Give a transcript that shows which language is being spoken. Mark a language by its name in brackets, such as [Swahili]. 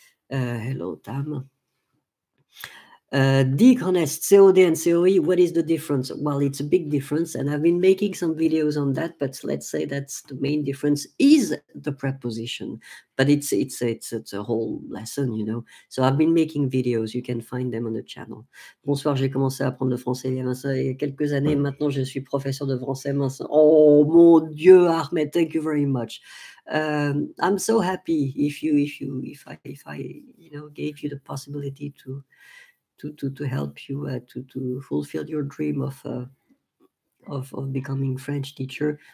[English] Hello, Tam. Decongest, COD and COE, what is the difference? Well, it's a big difference, and I've been making some videos on that, but let's say that's the main difference is the preposition. But it's a whole lesson, you know. So I've been making videos, you can find them on the channel. [French] Bonsoir, j'ai commencé à apprendre le français il y a quelques années, maintenant je suis professeur de français. Vincent. Oh, mon Dieu, [English] Ahmed, thank you very much. I'm so happy if I you know, gave you the possibility to help you to fulfill your dream of becoming French teacher.